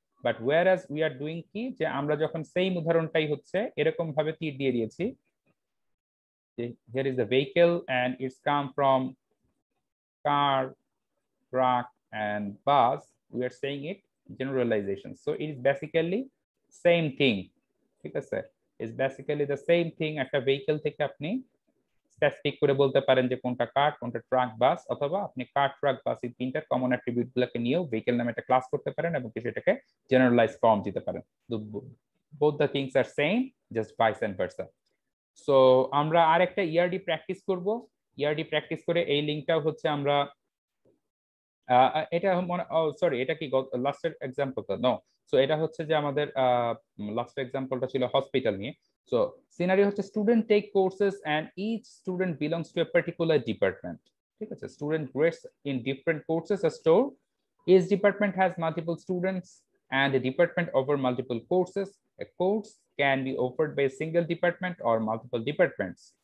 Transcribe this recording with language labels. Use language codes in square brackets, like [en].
[en] but where as we are doing কি, [bn] যে আমরা যখন সেম উদাহরণটাই হচ্ছে এরকম ভাবে তীর দিয়ে দিয়েছি, [en] here is the vehicle and it's come from car, truck and bus, we are saying it generalization. So it is basically same thing, [bn] ঠিক আছে, [en] it's basically the same thing. [bn] একটা vehicle থেকে আপনি specific করে বলতে পারেন যে কোনটা car, কোনটা truck, bus, অথবা আপনি car, truck, bus এই তিনটা common attribute গুলোকে নিয়েও vehicle নামে একটা class করতে পারেন এবং কিছু এটাকে generalized form দিতে পারেন। [en] Both the things are same, just vice and versa. [bn] So আমরা আরেকটা ইআরডি প্র্যাকটিস করব, ইআরডি প্র্যাকটিস করে এই লিঙ্কটাও হচ্ছে আমরা এটা মনে সরি এটা কি লাস্টের এক্সাম্পল তো নো সো এটা হচ্ছে যে আমাদের লাস্ট এক্সাম্পলটা ছিল হসপিটাল নিয়ে। [en] so scenario হচ্ছে student take courses and each student belongs to a particular department, [bn] ঠিক আছে, [en] Student grades in different courses are store, each department has multiple students and a department over multiple courses, a course can be offered by single department or multiple departments.